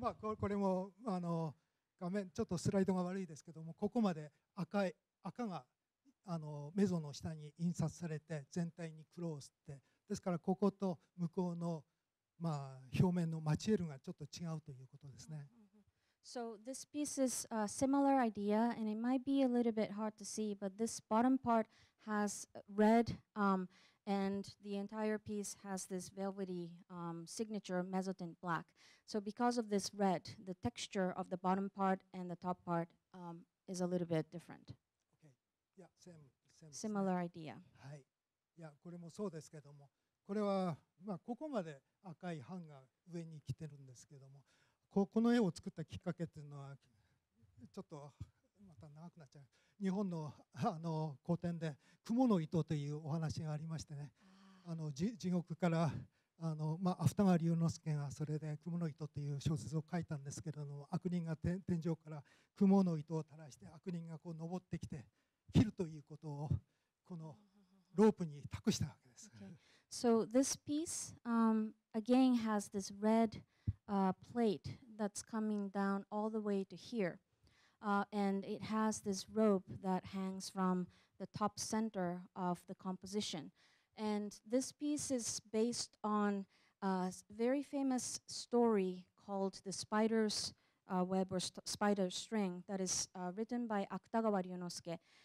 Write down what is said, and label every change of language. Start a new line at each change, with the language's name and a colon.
Japanese: まあ、これもあの画面ちょっとスライドが悪いですけども、ここまで赤があのメゾの下に印刷されて全体にクローズって、ですからここと向こうの、まあ、表面のマチエルがちょっと違うということですね。
English: So this piece is a similar idea and it might be a little bit hard to see, but this bottom part has red and the entire piece has this velvety signature mezzotint black. So because of this red, the texture of the bottom part and the top part is a little bit different. Okay. Yeah, same. Similar idea.
Japanese: はい。いや、これもそうですけども、これは、まあ、ここまで赤い版が上に来てるんですけども、この絵を作ったきっかけというのは、ちょっとまた長くなっちゃう。日本の、あの、古典で蜘蛛の糸というお話がありましてね、あの、地獄からあの、まあ、芥川龍之介がそれで蜘蛛の糸という小説を書いたんですけれども、悪人が天井から蜘蛛の糸を垂らして悪人がこう登ってきて切るということをこのロープに託したわけです。
English: Okay. So this piece, again has this red, plate that's coming down all the way to here. And it has this rope that hangs from the top center of the composition. And this piece is based on a very famous story called The Spider's Web or Spider String that is written by 芥川龍之介.